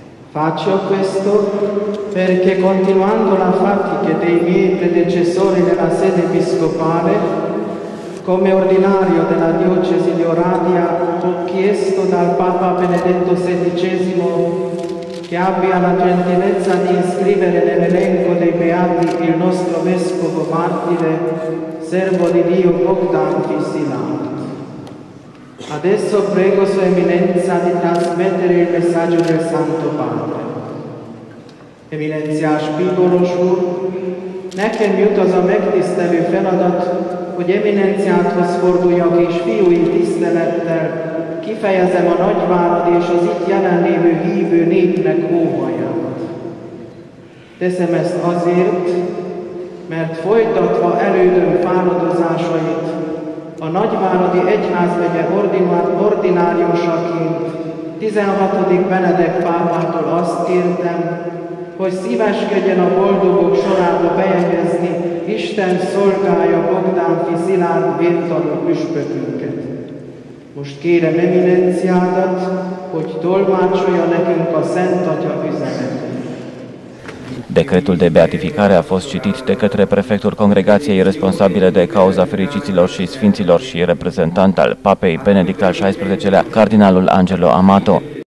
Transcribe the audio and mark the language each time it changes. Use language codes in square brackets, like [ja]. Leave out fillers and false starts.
[it] Faccio questo perché, continuando la fatica dei miei predecessori nella sede episcopale, come ordinario della Diocesi di Oradea ho chiesto dal Papa Benedetto XVI che abbia la gentilezza di iscrivere nell'elenco dei beati il nostro Vescovo Martire, servo di Dio Bogdan Fisilan. Adesso prego Sua Eminenza di trasmettere il messaggio del Santo Padre. Eminenzia spigolosur, neque miutos omectis tevi fenodot, [hu] hogy Eminencia atthoz forduljak és fiúi tisztelettel, kifejezem a nagyvárad és az itt jelenlévő hívő népnek óhajat. Teszem ezt azért, mert folytatva elődöm fáradozásait, a nagyváradi egyházmegye ordináriusaként 16. Benedek pápától azt kértem, hogy szíveskedjen a boldogok sorába bejegyezni Isten szolgája Bogdán Fisilán védtanú püspökünket. Most kérem Eminenciádat, hogy tolmácsolja nekünk a Szent Atya üzenetét. [ro] Decretul de beatificare a fost citit de către prefectul congregației responsabile de cauza fericiților și sfinților și reprezentant al Papei Benedict al XVI-lea, cardinalul Angelo Amato.